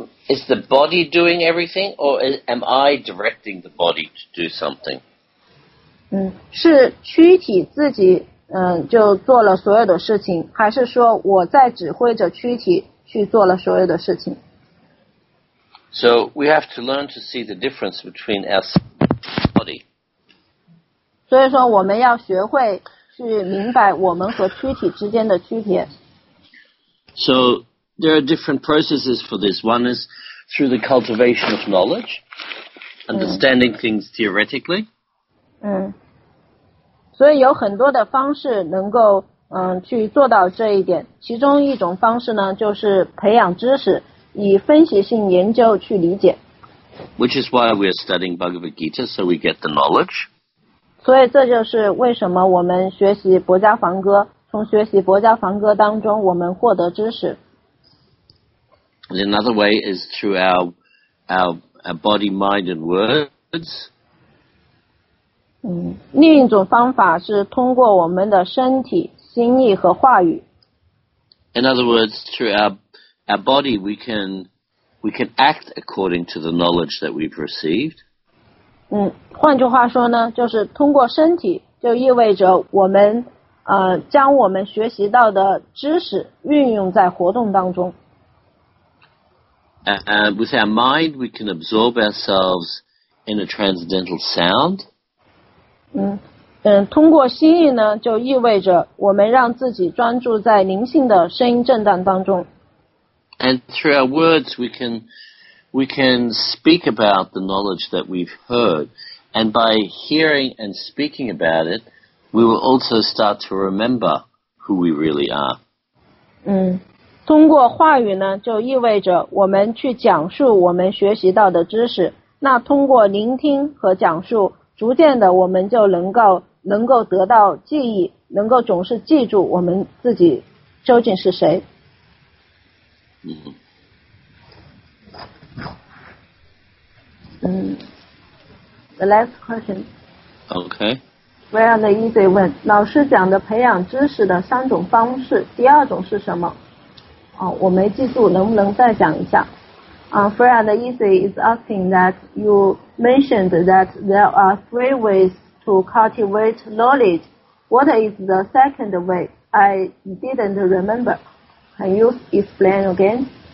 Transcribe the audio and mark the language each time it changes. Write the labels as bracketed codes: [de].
[en] Is the body doing everything, or am I directing the body to do something? [zh] 是躯体自己就做了所有的事情，还是说我在指挥着躯体去做了所有的事情？ [en] So we have to learn to see the difference between us and body. [zh] 所以说我们要学会去明白我们和躯体之间的区别。 [en] So there are different processes for this. One is through the cultivation of knowledge, understanding things theoretically. [zh] 所以有很多的方式能够去做到这一点。其中一种方式呢，就是培养知识。以分析性研究去理解。 [en] Which is why we are studying Bhagavad Gita, so we get the knowledge. [zh] 所以这就是为什么我们学习薄伽梵歌，从学习薄伽梵歌当中我们获得知识。 [en] Another way is through our body, mind, and words. [zh] 另一种方法是通过我们的身体、心意和话语。 [en] In other words, through our body, we can act according to the knowledge that we've received. [zh] 换句话说呢，就是通过身体，就意味着我们将我们学习到的知识运用在活动当中。 [en] And with our mind, we can absorb ourselves in a transcendental sound. [zh] 通过心意呢，就意味着我们让自己专注在灵性的声音震荡当中。 [en] And through our words, we can speak about the knowledge that we've heard. And by hearing and speaking about it, we will also start to remember who we really are. [zh] 通过话语呢，就意味着我们去讲述我们学习到的知识。那通过聆听和讲述，逐渐的我们就能够得到记忆，能够总是记住我们自己究竟是谁。 [en] The last question. Okay. [zh] 非常的 easy 问，老师讲的培养知识的三种方式，第二种是什么？我没记住，能不能再讲一下？ [en] 非常的 easy is asking that you mentioned that there are three ways to cultivate knowledge. What is the second way? I didn't remember. Can you explain again?